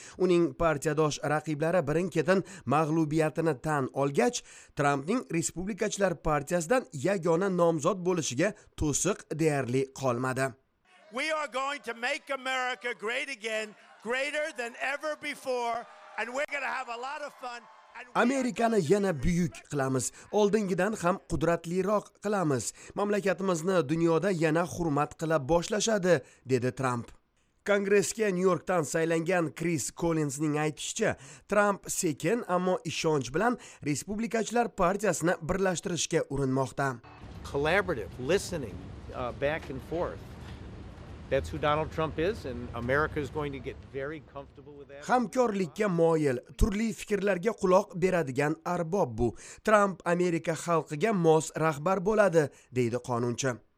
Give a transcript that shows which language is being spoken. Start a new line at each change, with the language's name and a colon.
Uzbek: Uning partiyadosh raqiblari birin-ketin mag'lubiyatini tan olgach, Trampning Respublikachilar partiyasidan yagona nomzod bo'lishiga to'siq deyarli qolmadi.
English: We are going to make America great again, greater than ever before, and we're going to have a lot of fun.
Uzbek: Amerikani yana buyuk qilamiz. Oldingidan ham qudratliroq qilamiz. Mamlakatimizni dunyoda yana hurmat qila boshlashadi, dedi Trump. Kongressga Nyu-Yorkdan saylangan Chris Collinsning aytishicha, Trump sekin, ammo ishonch bilan Respublikachilar partiyasini birlashtirishga urinmoqda.
English: Collaborative listening back and forth. That's who Donald Trump is and America is going to get very comfortable with that.
Uzbek: Hamkorlikka moyil, turli fikrlarga quloq beradigan arbob bu. Trump Amerika xalqiga mos rahbar bo'ladi, deydi qonunchi.